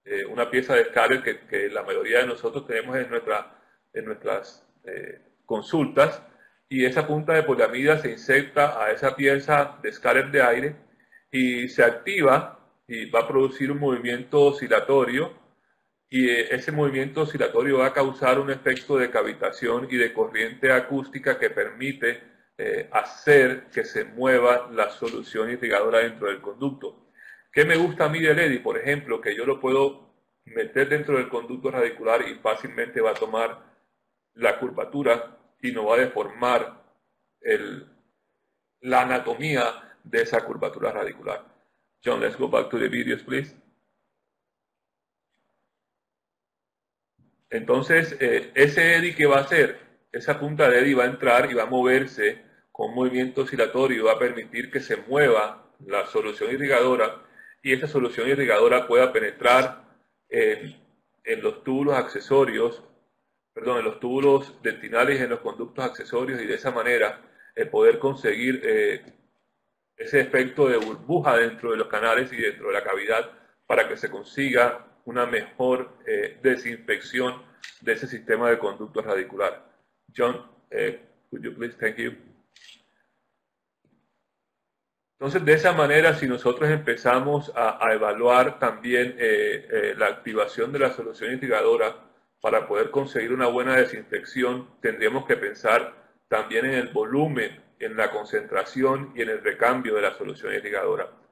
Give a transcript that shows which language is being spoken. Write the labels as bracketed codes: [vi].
[es] Una pieza de escáner que la mayoría de nosotros tenemos en nuestras consultas, y esa punta de poliamida se inserta a esa pieza de escáner de aire y se activa y va a producir un movimiento oscilatorio, y ese movimiento oscilatorio va a causar un efecto de cavitación y de corriente acústica que permite hacer que se mueva la solución irrigadora dentro del conducto. ¿Qué me gusta a mí del Eddy? Por ejemplo, que yo lo puedo meter dentro del conducto radicular y fácilmente va a tomar la curvatura y no va a deformar la anatomía de esa curvatura radicular. [en] John, let's go back to the videos, please. [es] Entonces, ese Eddy, ¿qué va a hacer? Esa punta de Eddy va a entrar y va a moverse con movimiento oscilatorio y va a permitir que se mueva la solución irrigadora. Y esa solución irrigadora pueda penetrar en los túbulos accesorios, perdón, en los túbulos dentinales y en los conductos accesorios, y de esa manera poder conseguir ese efecto de burbuja dentro de los canales y dentro de la cavidad para que se consiga una mejor desinfección de ese sistema de conducto radicular. [en] John, could you please thank you? [es] Entonces, de esa manera, si nosotros empezamos a evaluar también la activación de la solución irrigadora para poder conseguir una buena desinfección, tendríamos que pensar también en el volumen, en la concentración y en el recambio de la solución irrigadora.